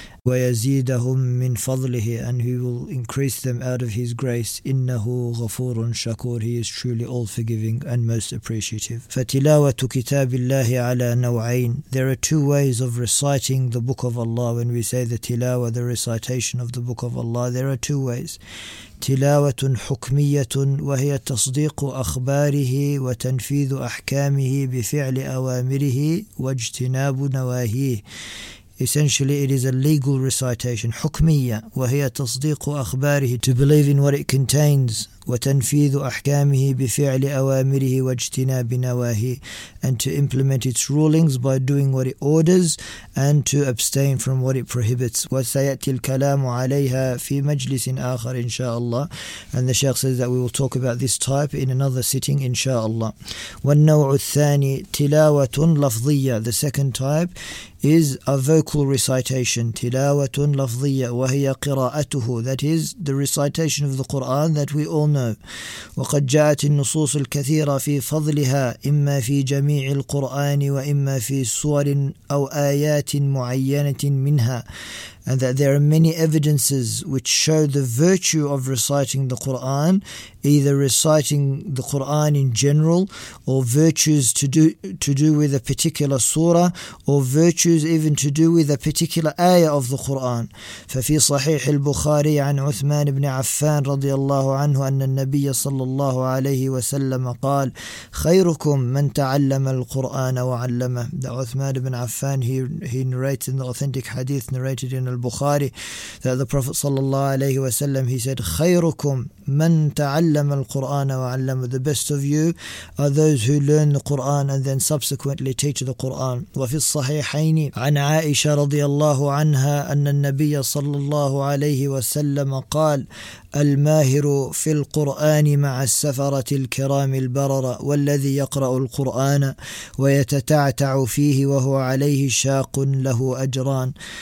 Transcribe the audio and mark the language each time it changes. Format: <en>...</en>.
<ar>وَيَزِيدَهُمْ مِنْ فَضْلِهِ,</ar> <en>and He will increase them out of His grace.</en> <ar>إِنَّهُ غَفُورٌ شَكُورٌ,</ar> <en>He is truly all-forgiving and most appreciative.</en> <ar>فَتِلَاوَةُ كِتَابِ اللَّهِ عَلَى نَوْعَيْنِ.</ar> <en>There are two ways of reciting the Book of Allah. When we say the tilawa, the recitation of the Book of Allah, there are two ways.</en> <ar>تلاوة حكمية وهي تصديق أخباره وتنفيذ أحكامه بفعل أوامره واجتناب نواهيه.</ar> <en>Essentially, it is a legal recitation.</en> <ar>حكمية وهي تصديق أخباره,</ar> <en>to believe in what it contains.</en> <ar>وتنفيذ أحكامه بفعل أوامره واجتناب نواهيه,</ar> <en>and to implement its rulings by doing what it orders and to abstain from what it prohibits.</en> <ar>وسيأتي الكلام عليها في مجلس آخر إن شاء الله.</ar> <en>And the Sheikh says that we will talk about this type in another sitting إن شاء الله.</en> <ar>والنوع الثاني تلاوة لفظية.</ar> <en>The second type is a vocal recitation.</en> <ar>تلاوة لفظية وهي قراءته,</ar> <en>that is the recitation of the Quran that we all know.</en> <ar>وقد جاءت النصوص الكثيرة في فضلها إما في جميع القرآن وإما في سور أو آيات معينة منها.</ar> <en>And that there are many evidences which show the virtue of reciting the Quran, either reciting the Quran in general, or virtues to do with a particular surah, or virtues even to do with a particular ayah of the Quran.</en> <ar>ففي صحيح البخاري عن عثمان بن عفان رضي الله عنه أن النبي صلى الله عليه وسلم قال خيركم من تعلم القرآن وعلمه.</ar> <en>That Uthman ibn Affan, he narrates in the authentic hadith narrated in Al-Bukhari, that the Prophet sallallahu alayhi wa sallam, he said,</en> <ar>خيركم من تعلم القرآن وعلم.</ar> <en>The best of you are those who learn the Quran and then subsequently teach the Quran.</en> <ar>وفي الصحيحين عن عائشة رضي الله عنها أن النبي صلى الله عليه وسلم قال الماهر في القرآن مع السفرة الكرام البررة, والذي يقرأ القرآن ويتتعتع فيه وهو عليه شاق له أجران.</ar>